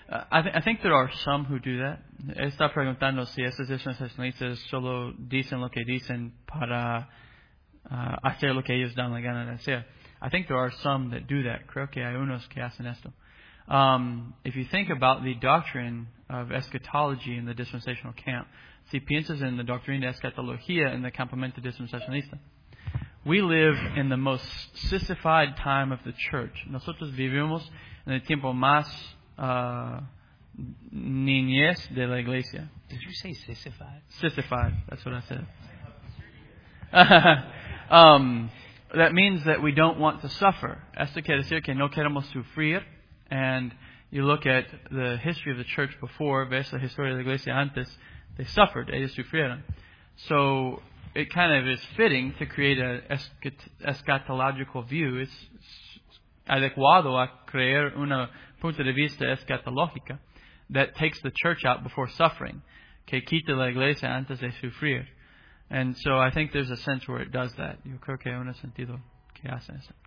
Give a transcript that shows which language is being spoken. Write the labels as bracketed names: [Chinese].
[English] I think there are some who do that. [Spanish] Está preguntando si esos dispensacionalistas solo dicen lo que dicen para hacer lo que ellos dan la gana de hacer. [English] I think there are some that do that. [Spanish] Creo que hay unos que hacen esto. [English] If you think about the doctrine of eschatology in the dispensational camp, [Spanish] si piensas en la doctrina de escatología en el campamento dispensacionalista, [English] we live in the most sissified time of the church. [Spanish] Nosotros vivimos en el tiempo más niñez de la iglesia. [English] Did you say sissified? Sissified, that's what I said. That means that we don't want to suffer. [Spanish] Esto quiere decir que no queremos sufrir. [English] And you look at the history of the church before, [Spanish] ves la historia de la iglesia antes, [English] they suffered, [Spanish] ellos sufrieron. [English] So it kind of is fitting to create an eschatological view. [Spanish] It's adecuado a crear una punto de vista escatológica [English] that takes the church out before suffering. [Spanish] Que quita la iglesia antes de sufrir. [English] And so I think there's a sense where it does that. [Spanish] Yo creo que hay un sentido que hace eso.